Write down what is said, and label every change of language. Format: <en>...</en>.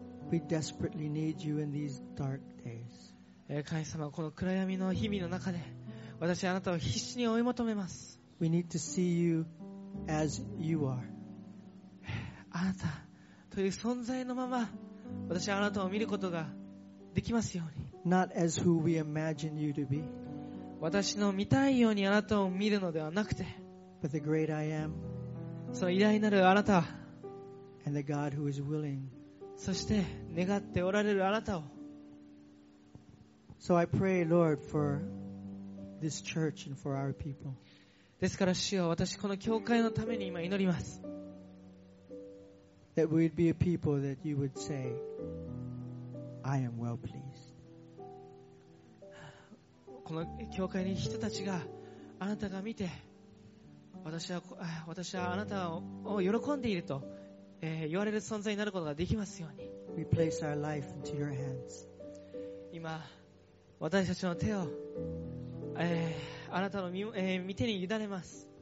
<en>we desperately need you in these dark days.</en> <ja>神様、この暗闇の日々の中で、私はあなたを必死に追い求めます。</ja> <en>We need to see you as you are.</en> <ja>あなたという存在のまま、私はあなたを見ることができますように。</ja> <en>Not as who we imagine you to be.</en> <ja>私の見たいようにあなたを見るのではなくて、</ja> <en>But the great I am.</en> <ja>その偉大なるあなたは、</ja> <en>And the God who is willing.</en> <ja>そして願っておられるあなたを。</ja> <en>So I pray, Lord, for this church and for our people.</en> <ja>ですから主よ、私この教会のために今祈ります。</ja> <en>That we'd be a people that you would say, I am well pleased.</en> <ja>この教会に人たちがあなたが見て、私はあなたを喜んでいると。言われる存在になることができますように。</ja> <en>We place our life into your hands.</en> <ja>今、私たちの手を、あなたの御手に委ねます。</ja>